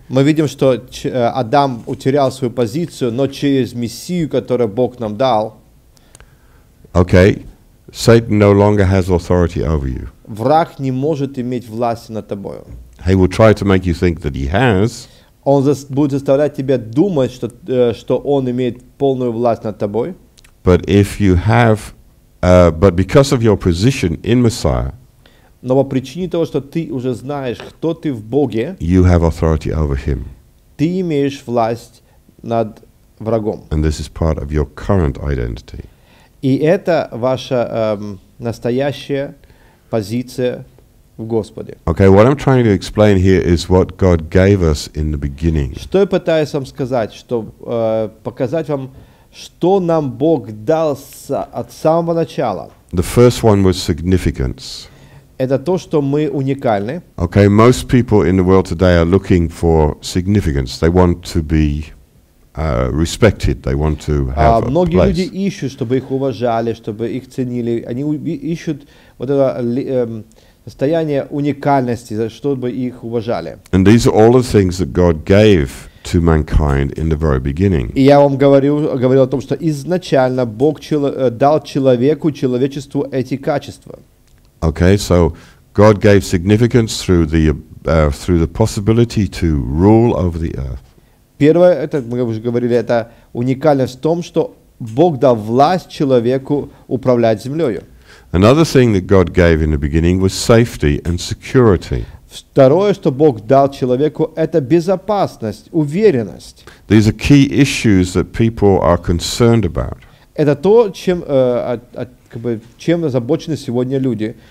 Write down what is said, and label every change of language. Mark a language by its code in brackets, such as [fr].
[ru] Мы видим, что Адам утерял свою позицию, но через Мессию, которую Бог нам дал. [en] Okay. Satan no longer has authority over you. [ru] Враг не может иметь власти над тобою. [en] He will try to make you think that he has. [ru] Он будет заставлять тебя думать, что он имеет полную власть над тобой. [en] But if you have, but because of your position in Messiah. [ru] Но по причине того, что ты уже знаешь, кто ты в Боге. [en] You have authority over him. [ru] Ты имеешь власть над врагом. [en] And this is part of your current identity. [ru] И это ваша настоящая позиция в Господе. [en] Okay, what I'm trying to explain here is what God gave us in the beginning. [ru] Что я пытаюсь вам сказать, что показать вам, что нам Бог дал от самого начала. [en] The first one was significance. [ru] Это то, что мы уникальны. [en] Okay, most people in the world today are looking for significance. They want to be respected, they want to have a [ru] многие [en] place. [ru] Многие люди ищут, чтобы их уважали, чтобы их ценили. Они ищут вот это состояние уникальности, за что бы их уважали. [en] And these are all the things that God gave to mankind in the very beginning. [ru] И я вам говорил о том, что изначально Бог дал человечеству эти качества. [en] Okay, so God gave significance through the possibility to rule over the earth. [ru] Первое, это мы уже говорили, это уникальность в том, что Бог дал власть человеку управлять землею. [en] Another thing that God gave in the beginning was safety and security. [ru] Второе, что Бог дал человеку, это безопасность, уверенность. [en] These are key issues that people are concerned about. [ru] Это то, чем озабочены сегодня люди.